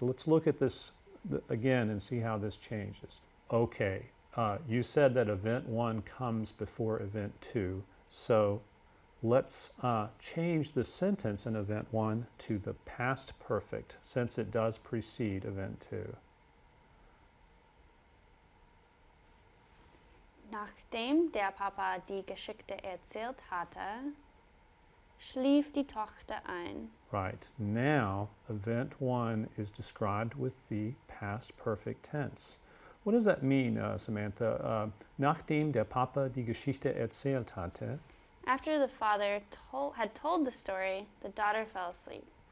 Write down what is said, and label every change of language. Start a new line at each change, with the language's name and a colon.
English: Let's look at this again and see how this changes. Okay, you said that event one comes before event two, so let's change the sentence in event one to the past perfect since it does precede event two.
German: Nachdem der Papa die Geschichte erzählt hatte, schlief die Tochter ein.
English: Right. Now, event one is described with the past perfect tense. What does that mean, Samantha?
German: Nachdem der Papa die Geschichte erzählt hatte.
English: After the father had told the story, the daughter fell asleep.